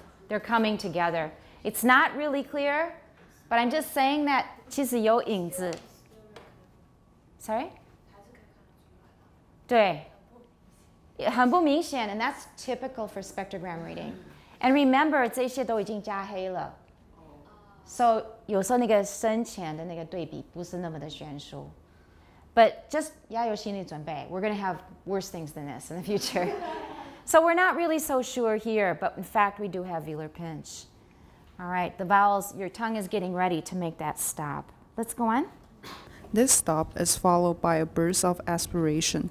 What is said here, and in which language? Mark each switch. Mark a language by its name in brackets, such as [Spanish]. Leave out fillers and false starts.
[English] They're coming together. It's not really clear, but I'm just saying that [Chinese] 其实有影子. [English] Sorry? [Chinese] 对,很不明显, [English] and that's typical for spectrogram reading. And remember, [Chinese] 这些都已经加黑了. [English] So, [Chinese] 有时候那个深浅的那个对比不是那么的悬殊. [English] But just, [Chinese] 要有心理准备, [English] we're going to have worse things than this in the future. So we're not really so sure here, but in fact we do have velar pinch. All right, the vowels, your tongue is getting ready to make that stop. Let's go on. This stop is followed by a burst of aspiration.